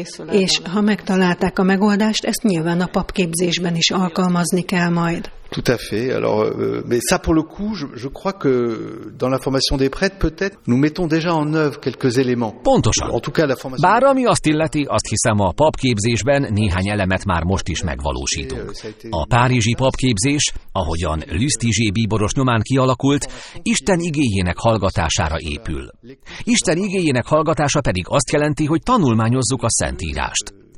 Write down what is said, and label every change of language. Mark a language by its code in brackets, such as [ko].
[hu] És ha megtalálták a megoldást, ezt nyilván a papképzésben is alkalmazni kell majd. [fr] Tout à fait. Alors, mais ça pour le coup, je crois que dans la formation des prêtres, peut-être, nous mettons déjà en œuvre quelques éléments. [hu] Pontosan. [fr] En tout cas, la formation. [hu] Bár ami azt illeti, azt hiszem, a papképzésben néhány elemet már most is megvalósítunk. A párizsi papképzés, ahogyan Lüsztizsé bíboros nyomán kialakult, Isten igéjének hallgatására épül. Isten igéjének hallgatása pedig azt jelenti, hogy tanulmányozzuk a Szentírást.